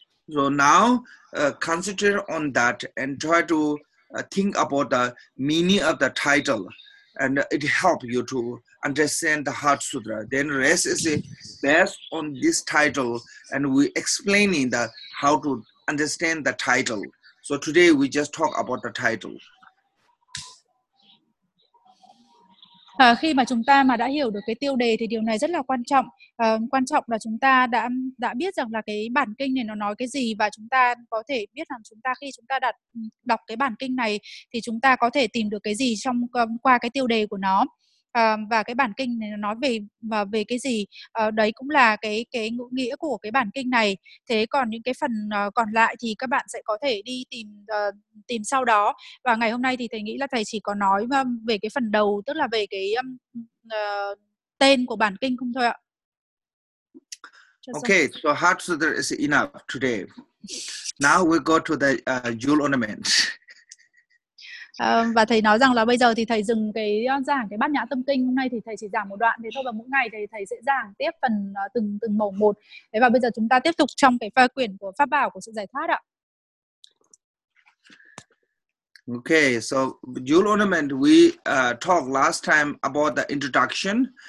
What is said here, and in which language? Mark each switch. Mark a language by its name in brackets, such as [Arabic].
[English] So now concentrate on that and try to think about the meaning of the title. and it helps you to understand the Heart Sutra. Then rest is based on this title, and we explaining the how to understand the title. So today we just talk about the title. [Vietnamese] Khi mà chúng ta mà đã hiểu được cái tiêu đề thì điều này rất là quan trọng. Quan trọng là chúng ta đã biết rằng là cái bản kinh này nó nói cái gì, và chúng ta có thể biết rằng chúng ta khi chúng ta đọc cái bản kinh này thì chúng ta có thể tìm được cái gì trong qua cái tiêu đề của nó. Và cái bản kinh này nó nói về cái gì, đấy cũng là cái ngữ nghĩa của cái bản kinh này. Thế còn những cái phần còn lại thì các bạn sẽ có thể đi tìm sau đó. Và ngày hôm nay thì thầy nghĩ là thầy chỉ có nói về cái phần đầu, tức là về cái tên của bản kinh không thôi ạ. [English] Okay, so Heart Sutra is enough today. Now we go to the jewel ornament. [Vietnamese] Và thầy nói rằng là bây giờ thì thầy dừng cái giảng cái bát nhã tâm kinh, hôm nay thì thầy chỉ giảng một đoạn thế thôi, và mỗi ngày thì thầy sẽ giảng tiếp phần từng mẫu một. Thế và bây giờ chúng ta tiếp tục trong cái phần quyển của pháp bảo của sự giải thoát ạ. [English] Okay, so jewel ornament, we talked last time about the introduction.